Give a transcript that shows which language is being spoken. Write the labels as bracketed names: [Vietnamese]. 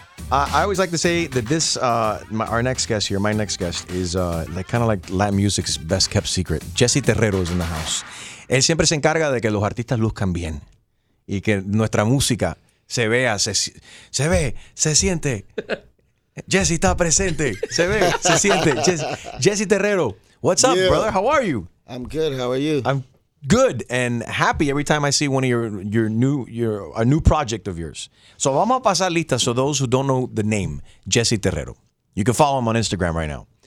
[English] I always like to say that this, our next guest here, my next guest, is like kind of like Latin music's best kept secret. Jesse Terrero is in the house. [Spanish] Él siempre se encarga de que los artistas luzcan bien y que nuestra música se vea, se siente. Jesse está presente. Se ve, se siente. [English] Jesse Terrero, what's up, brother? How are you? I'm good. How are you? I'm good and happy every time I see one of a new project of yours. So [Spanish] vamos a pasar lista. [English] So those who don't know the name, Jesse Terrero, you can follow him on Instagram right now.